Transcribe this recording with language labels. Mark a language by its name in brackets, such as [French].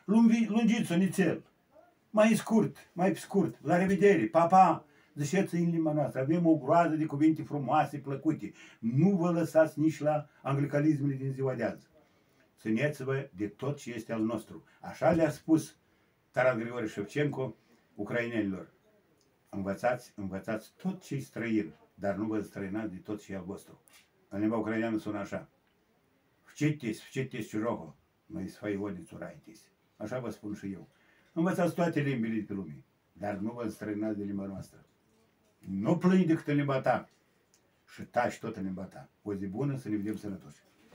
[Romanian] Lungiți-o nițel, mai scurt, mai scurt, la revedere, pa, pa, ziceți în limba noastră, avem o groază de cuvinte frumoase, plăcute, nu vă lăsați nici la anglicalismele din ziua de azi. Țineți-vă de tot ce este al nostru. Așa le-a spus Taras Grigore Șevcenco ucrainenilor. Învățați, învățați tot ce-i străin, dar nu vă străinați de tot ce-i al vostru. În limba ucraineană sună așa. [Ukrainian] Вчитесь, вчитесь чужого, но и своего не цурайтесь. [Romanian] Așa vă spun și eu. Învățați toate limbile de lume, dar nu vă străinați de limba noastră. Nu plâni decât în limba ta și taci tot în limba ta. O zi bună, să ne vedem sănătoși.